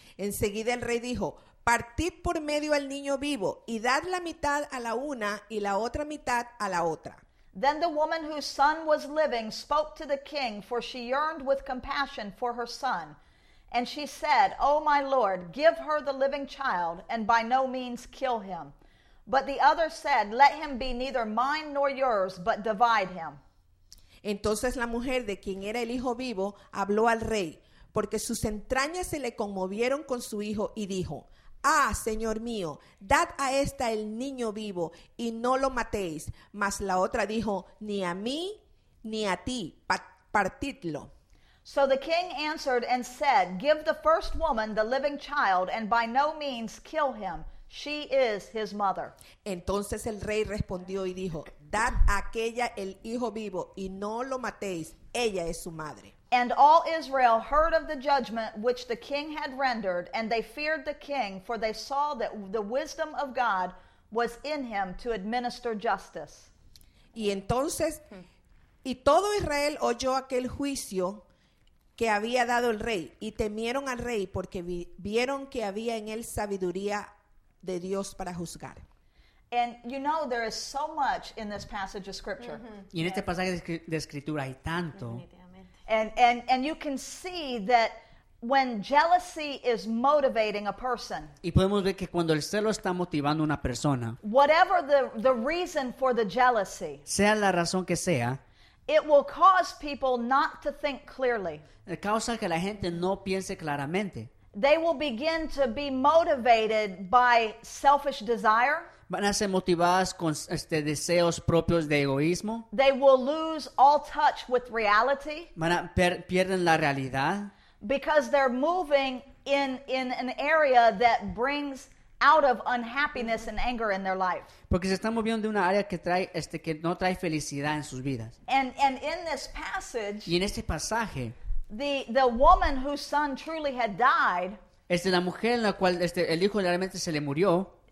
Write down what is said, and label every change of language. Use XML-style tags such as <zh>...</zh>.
<es>Enseguida el rey dijo, Partid por medio al niño vivo, y dad la mitad a la una, y la otra mitad a la otra.</es> <en>Then the woman whose son was living spoke to the king, for she yearned with compassion for her son. And she said, O my Lord, give her the living child, and by no means kill him. But the other said, Let him be neither mine nor yours, but divide him.</en> <es>Entonces la mujer de quien era el hijo vivo habló al rey, porque sus entrañas se le conmovieron con su hijo, y dijo, Ah, señor mío, dad a esta el niño vivo y no lo matéis. Mas la otra dijo, ni a mí ni a ti, partidlo.</es> <en>So the king answered and said, Give the first woman the living child and by no means kill him. She is his mother.</en> <es>Entonces el rey respondió y dijo, Dad a aquella el hijo vivo y no lo matéis. Ella es su madre.</es> <en>And all Israel heard of the judgment which the king had rendered, and they feared the king, for they saw that the wisdom of God was in him to administer justice.</en> <es>Y entonces, Y todo Israel oyó aquel juicio que había dado el rey, y temieron al rey porque vieron que había en él sabiduría de Dios para juzgar.</es> <en>And you know there is so much in this passage of scripture. Mm-hmm.</en> <es>Y en este pasaje de escritura hay tanto.</es> <en>And you can see that when jealousy is motivating a person.</en> <es>Y podemos ver que cuando el celo está motivando a una persona.</es> <en>Whatever the reason for the jealousy.</en> <es>Sea la razón que sea.</es> <en>It will cause people not to think clearly.</en> <es>Causa que la gente no piense claramente.</es> <en>They will begin to be motivated by selfish desire.</en> <es>Van a ser motivadas con deseos propios de egoísmo.</es> <en>They will lose all touch with reality.</en> <es>Pierden la realidad.</es> <en>Because they're moving in an area that brings out of unhappiness and anger in their life.</en> <es>Porque se están moviendo de una área que trae que no trae felicidad en sus vidas.</es> <en>And in this passage,</en> <es>y en este pasaje,</es> <en>the woman whose son truly had died,</en> <es>la mujer en la cual el hijo realmente se le murió,</es>